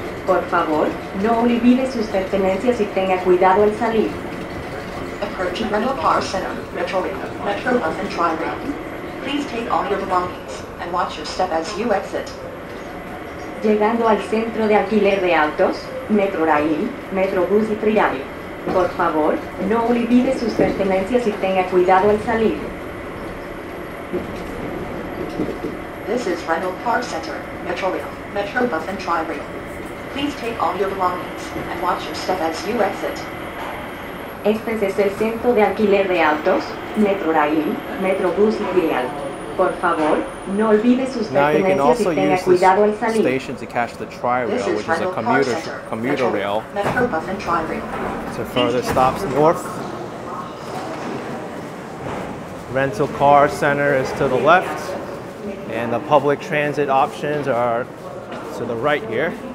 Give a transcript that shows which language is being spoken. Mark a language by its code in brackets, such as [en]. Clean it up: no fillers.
[es] Por favor, no olvide sus pertenencias y tenga cuidado al salir. [en] Approaching rental car center, Metrorail, Metrobus and Tri-Rail. Please take all your belongings and watch your step as you exit. [es] Llegando al centro de alquiler de autos, Metrorail, Metrobus y Tri-Rail. Por favor, no olvide sus pertenencias y tenga cuidado al salir. [en] This is rental car center, Metrorail, Metrobus and Tri-Rail. Please take all your belongings and watch your step as you exit. [es] Este es el centro de alquiler de autos, Metrorail, Metrobus y Tri-Rail. Por favor, no olvide sus pertenencias y tenga cuidado al salir. [en] Station to catch the Tri-Rail, which is a commuter rail. Metrobus and Tri-Rail. To further stops north. Rental car center is to the left. And the public transit options are to the right here.